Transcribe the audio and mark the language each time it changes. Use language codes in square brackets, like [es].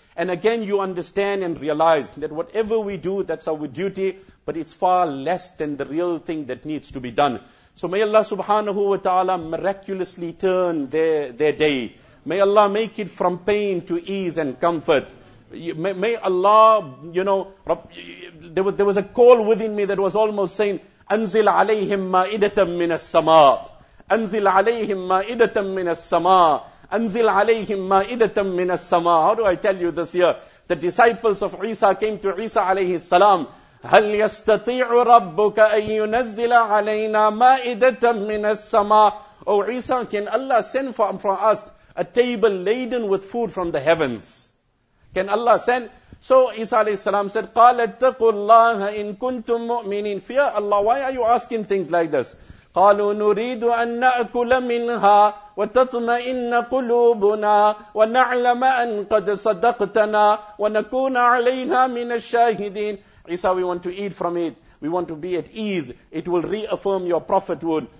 [en] And again, you understand and realize that whatever we do, that's our duty, but it's far less than the real thing that needs to be done. So may Allah subhanahu wa ta'ala miraculously turn their day. May Allah make it from pain to ease and comfort. May Allah, you know, there was a call within me that was almost saying, [ar] أنزل عليهم مائدة من السماء أنزل عليهم مائدة من السماء أنزل عليهم مائدة من السماء. [en] How do I tell you this year? The disciples of Isa came to Isa عليه السلام. [ar] هل يستطيع ربك أن ينزل علينا مائدة من السماء? [en] Oh Isa, can Allah send for us a table laden with food from the heavens? Can Allah send? So Isa alayhi salam said, [ar] قَالَ اتَّقُوا اللَّهَ إِن كُنْتُم مُؤْمِنِينَ. [en] Fear Allah, why are you asking things like this? [ar] قَالُوا نُرِيدُ أَن نَأْكُلَ مِنْهَا وَتَطْمَئِنَّ قُلُوبُنَا وَنَعْلَمَ أَن قَدْ صَدَقْتَنَا وَنَكُونَ عَلَيْهَا مِنَ الشَّاهِدِينَ. [en] Isa, we want to eat from it. We want to be at ease. It will reaffirm your prophethood.